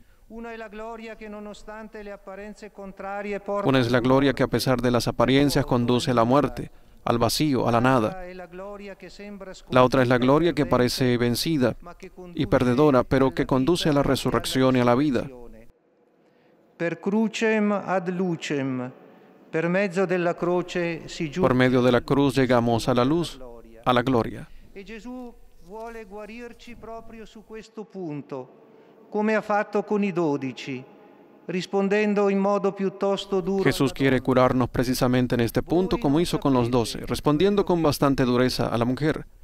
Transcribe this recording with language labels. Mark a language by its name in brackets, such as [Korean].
[Spanish] Una es la gloria que a pesar de las apariencias conduce a la muerte, al vacío, a la nada. La otra es la gloria que parece vencida y perdedora, pero que conduce a la resurrección y a la vida. [Latin] Per crucem ad lucem, [Italian] per mezzo della croce si giunge. [Spanish] Por medio de la cruz llegamos a la luz, a la gloria. [Italian] E Gesù vuole guarirci proprio su questo punto, come ha fatto con i dodici, rispondendo in modo piuttosto duro. [Spanish] Jesús quiere curarnos precisamente en este punto, como hizo con los doce, respondiendo con bastante dureza a la mujer.